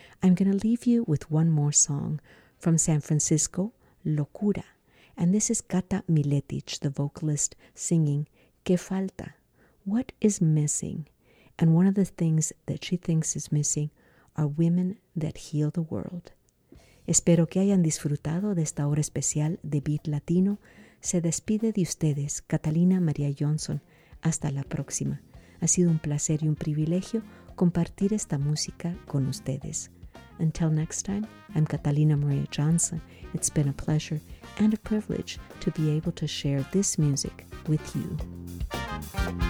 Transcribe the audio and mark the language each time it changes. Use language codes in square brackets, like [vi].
[en] I'm going to leave you with one more song from San Francisco, Locura. And this is Cata Miletich, the vocalist, singing ¿Qué falta? What is missing? And one of the things that she thinks is missing are women that heal the world. [es] Espero que hayan disfrutado de esta hora especial de Beat Latino. Se despide de ustedes, Catalina María Johnson. Hasta la próxima. Ha sido un placer y un privilegio compartir esta música con ustedes. [en] Until next time, I'm Catalina María Johnson. It's been a pleasure and a privilege to be able to share this music with you.